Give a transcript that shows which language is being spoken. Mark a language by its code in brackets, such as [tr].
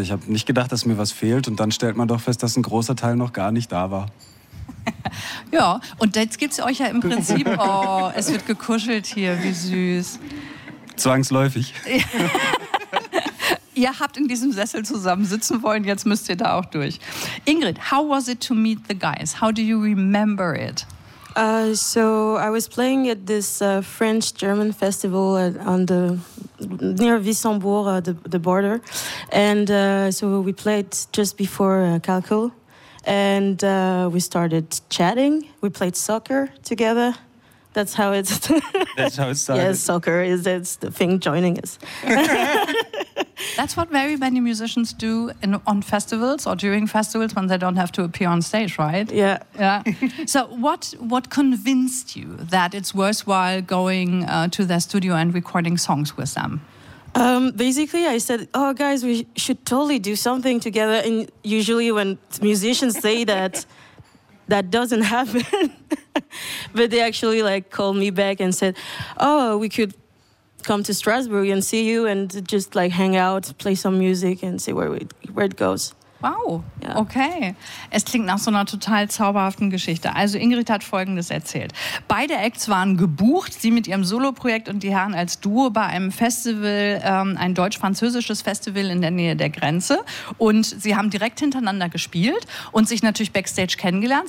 [de] Ich habe nicht gedacht, dass mir was fehlt und dann stellt man doch fest, dass ein großer Teil noch gar nicht da war. Ja, und jetzt gibt es euch ja im Prinzip, oh, es wird gekuschelt hier, wie süß. Zwangsläufig. Ihr habt in diesem Sessel zusammen sitzen wollen, jetzt müsst ihr da auch durch. [en] Ingrid, how was it to meet the guys? How do you remember it? So I was playing at this French-German festival near Wissembourg, the border. And so we played just before Calcul. And we started chatting. We played soccer together. That's how it started. Yes, soccer is the thing joining us. That's what very many musicians do on festivals or during festivals when they don't have to appear on stage, right? Yeah. Yeah. So what convinced you that it's worthwhile going to their studio and recording songs with them? Basically, I said, oh, guys, we should totally do something together. And usually when musicians say that, that doesn't happen. But they actually like called me back and said, oh, we could come to Strasbourg and see you and just like hang out, play some music and see where it goes. Wow, okay. [de] Es klingt nach so einer total zauberhaften Geschichte. Also Ingrid hat Folgendes erzählt. Beide Acts waren gebucht, sie mit ihrem Soloprojekt und die Herren als Duo bei einem Festival, ein deutsch-französisches Festival in der Nähe der Grenze. Und sie haben direkt hintereinander gespielt und sich natürlich Backstage kennengelernt.